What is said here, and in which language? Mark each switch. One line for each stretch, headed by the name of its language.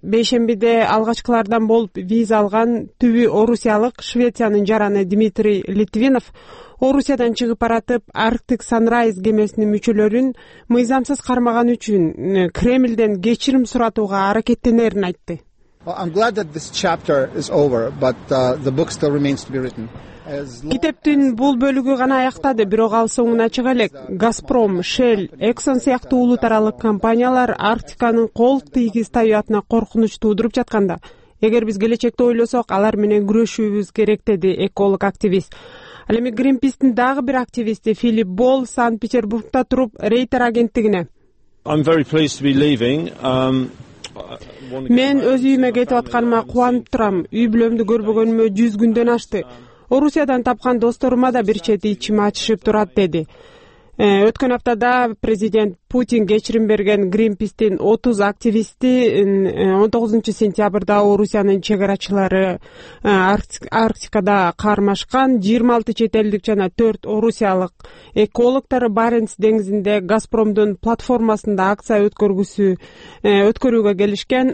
Kyrgyz: Бейшембиде алгачкылардан болуп виза алган түбү орусиялык Швециянын жараны Дмитрий Литвинов Орусиядан чыгып баратып, Arctic Sunrise кемесинин мүчөлөрүн мыйзамсыз кармаган үчүн Кремлден кечирим суратууга аракеттенерин айтты.
English: I'm glad that this chapter is over, but the book still remains to be written.
Kyrgyz: Китептин бул бөлүгү гана аяктады, бирок ал соңуна чыга элек. Газпром, Шел, Эксон сыяктуу улут аралык компаниялар Арктиканын кол тийгиз табиятына коркунуч туудуруп жатканда, эгер биз келечекте ойлосок, алар менен күрөшүүбүз керек, деди эколог активист. Ал эми Greenpeace'тин дагы бир активисти Филипп Бол Санкт-Петербургта туруп Рейтер агенттигине:
English: I'm very pleased to be leaving.
Kyrgyz: Мен өз үйүмө кетип атканыма кубанып турам. Үй бүлөмдү көрбөгөнүмө 100 күндөн ашты. Орусиядан тапкан досторума да бир чети ичим ачышып турат, деди. Өткөн аптада президент Путин кечирим берген Greenpeace'тин 30 активисти 19 сентябрда Орусиянын чек арачылары Арктикада кармашкан 26 чет элдик жана 4 орусиялык экологтор Баренц деңизинде Газпромдун платформасында акция өткөрүүгө келишкен.